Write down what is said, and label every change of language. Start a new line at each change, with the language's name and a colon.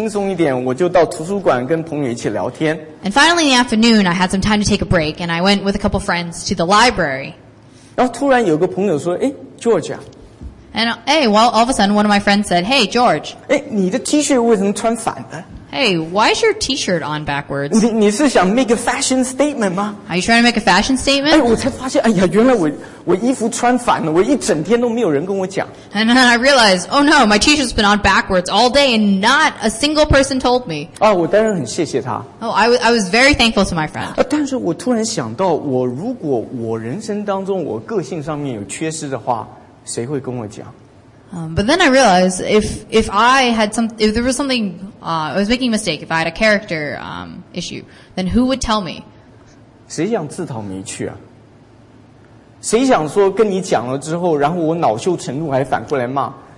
Chinese: 然后到终于到下午的时候，终于轻松一点，我就到图书馆跟朋友一起聊天。
English: And finally in the afternoon, I had some time to take a break, and I went with a couple friends to the library.
Chinese: 然后突然有个朋友说，诶， George 啊。
English: And well, all of a sudden, one of my friends said, "Hey, George."
Chinese: 诶，你的 T-shirt 为什么穿反的？
English: Hey, why is your T-shirt on backwards?
Chinese: 你是想
English: make a fashion statement
Chinese: 吗？
English: Are you trying to make a fashion statement?
Chinese: 哎，我才发现，哎呀，原来我衣服穿反了，我一整天都没有人跟我讲。
English: And then I realized, oh no, my T-shirt's been on backwards all day, and not a single person told me.
Chinese: 哦，我当然很谢谢他。
English: Oh, I was very thankful to my friend.
Chinese: 但是我突然想到，我如果我人生当中我个性上面有缺失的话，谁会跟我讲？
English: But then I realized if there was something I was making a mistake, if I had a character issue, then who would tell me?
Chinese: 谁想自讨没趣啊？谁想说跟你讲了之后，然后我恼羞成怒还反过来骂？